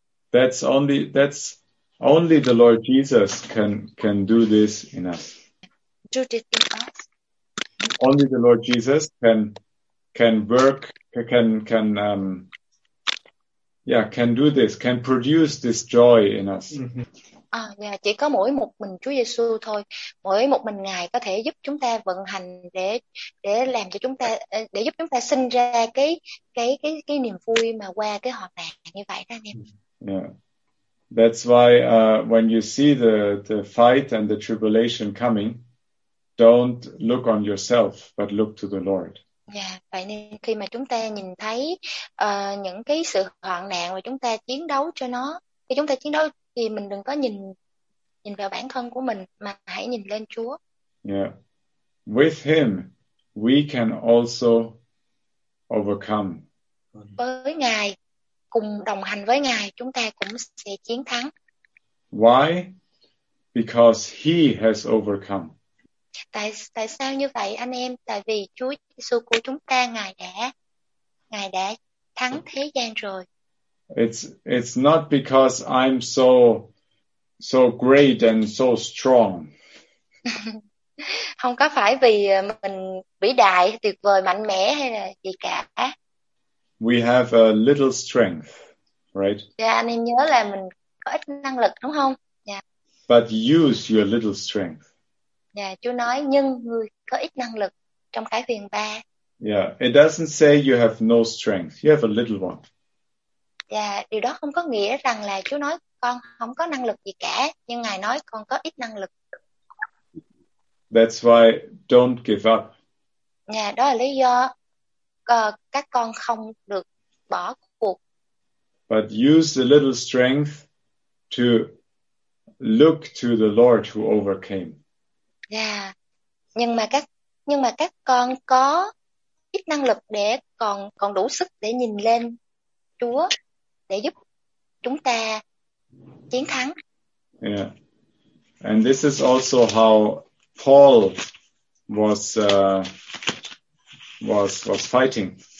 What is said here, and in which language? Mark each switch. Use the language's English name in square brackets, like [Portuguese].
[English] That's only the Lord Jesus can do this in us. Do this in us. Only the Lord Jesus can work, can do this, can produce this joy in us. [Vietnamese] Chỉ có mỗi một mình Chúa Giêsu thôi, mỗi một mình Ngài có thể giúp chúng ta vận hành để làm cho chúng ta, để giúp chúng ta sinh ra cái niềm vui mà qua cái hoạn nạn như vậy đó anh em. [English] Yeah, that's why when you see the fight and the tribulation coming, don't look on yourself but look to the Lord. [Vietnamese] Yeah, vậy nên khi mà chúng ta nhìn thấy những cái sự hoạn nạn và chúng ta chiến đấu cho nó, khi chúng ta chiến đấu thì mình đừng có nhìn vào bản thân của mình mà hãy nhìn lên Chúa. [English] Yeah. With him we can also overcome. [Vietnamese] Với Ngài, cùng đồng hành với Ngài, chúng ta cũng sẽ chiến thắng. [English] Why? Because he has overcome. [Vietnamese] Tại sao như vậy anh em? Tại vì Chúa Giêsu của chúng ta, Ngài đã thắng thế gian rồi. [English] It's not because I'm so great and so strong. [Vietnamese] Không có phải vì mình vĩ đại, tuyệt vời, mạnh mẽ hay là gì cả. [English] We have a little strength, right? [Vietnamese] Yeah, anh em nhớ là mình có ít năng lực đúng không? [English] Yeah. But use your little strength. [Vietnamese] Yeah, Chúa nói nhưng người có ít năng lực. trong Khải Huyền 3. [English] Yeah, it doesn't say you have no strength. You have a little one. [Vietnamese] Yeah, điều đó không có nghĩa rằng là Chúa nói con không có năng lực gì cả, nhưng Ngài nói con có ít năng lực. [English] That's why don't give up. [Vietnamese] Yeah, đó là lý do các con không được bỏ cuộc. [English] But use the little strength to look to the Lord who overcame. Yeah. [Vietnamese] Nhưng mà các con có ít năng lực để còn đủ sức để nhìn lên Chúa để giúp chúng ta chiến thắng. [English] Yeah. And this is also how Paul was fighting.